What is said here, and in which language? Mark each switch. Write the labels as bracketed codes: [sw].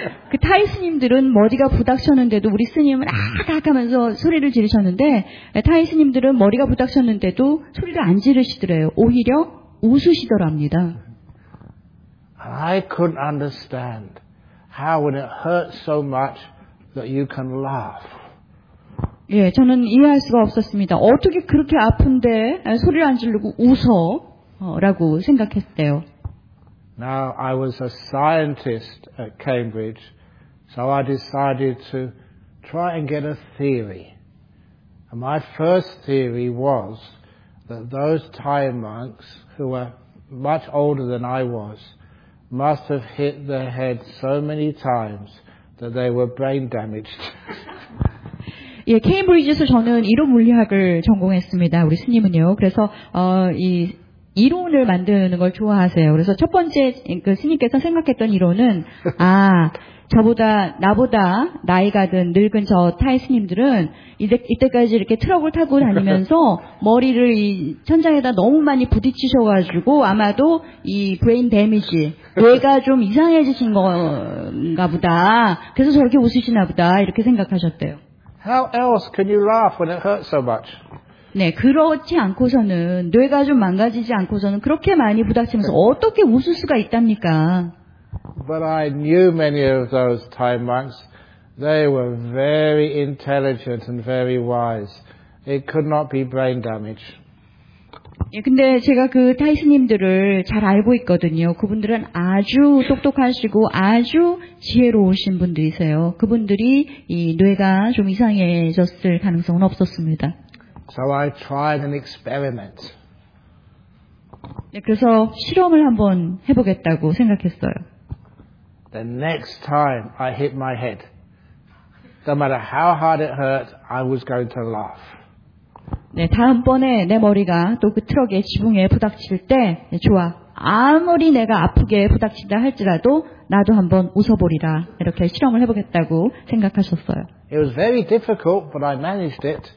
[ko] 그 타이 스님들은 머리가 부닥쳤는데도 우리 스님은 아악 하면서 소리를 지르셨는데 타이 스님들은 머리가 부닥쳤는데도 소리를 안 지르시더래요. 오히려 웃으시더랍니다. [en] I couldn't understand how when it hurts so much that you can laugh. [ko] 예, 저는 이해할 수가 없었습니다. 어떻게 그렇게 아픈데 소리를 안 지르고 웃어라고 생각했대요. [en] Now I was a scientist at Cambridge, so I decided to try and get a theory. And my first theory was that those Thai monks who were much older than I was must have hit their head so many times that they were brain damaged. [ko] 예, 케임브리지에서 저는 이론 물리학을 전공했습니다. 우리 스님은요. 그래서 이론을 만드는 걸 좋아하세요. 그래서 첫 번째 그 스님께서 생각했던 이론은 아, 나보다 나이가 든 늙은 저 타이 스님들은 이때까지 이렇게 트럭을 타고 다니면서 머리를 이 천장에다 너무 많이 부딪히셔 가지고 아마도 이 브레인 데미지, 뇌가 좀 이상해지신 건가 보다. 그래서 저렇게 웃으시나 보다. 이렇게 생각하셨대요. [en] How else can you laugh when it hurts so much? [ko] 네, 그렇지 않고서는 뇌가 좀 망가지지 않고서는 그렇게 많이 부닥치면서 어떻게 웃을 수가 있답니까? [en] But I knew many of those Thai monks. They were very intelligent and very wise. It could not be brain damage. [ko] 예, 근데 제가 그 타이 스님들을 잘 알고 있거든요. 그분들은 아주 똑똑하시고 아주 지혜로우신 분들이세요. 그분들이 이 뇌가 좀 이상해졌을 가능성은 없었습니다. [en] So I tried an experiment. [ko] 네, 그래서 실험을 한번 해보겠다고 생각했어요. [en] The next time I hit my head, no matter how hard it hurt, I was going to laugh. [ko] 네, 다음번에 내 머리가 또 그 트럭의 지붕에 부닥칠 때, 네, 좋아. 아무리 내가 아프게 부닥친다 할지라도 나도 한번 웃어보리라. 이렇게 실험을 해보겠다고 생각하셨어요. [en] It was very difficult, but I managed it.